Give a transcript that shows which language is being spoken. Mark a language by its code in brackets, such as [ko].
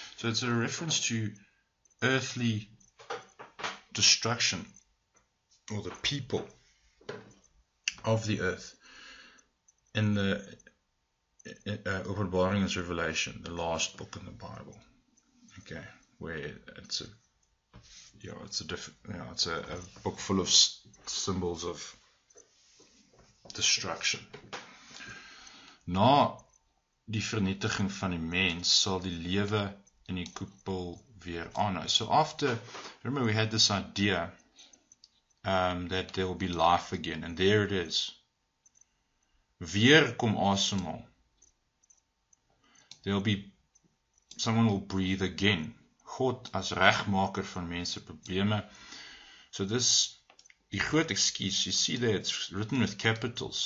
[en] So it's a reference to earthly destruction, or the people of the earth, in the openbaring is Revelation, the last book in the Bible. Okay, where it's a, you know, it's a different, you know, it's a book full of symbols of destruction. [af] Na die vernietiging van die mens sal die lewe in die koepel weer aanhou. [en] So after, remember we had this idea that there will be life again, and there it is. [af] Weer kom asemhaal. [en] There will be, someone will breathe again. [af] God as regmaker van mense probleme. [en] So this, die groot excuse, you see there, it's written with capitals.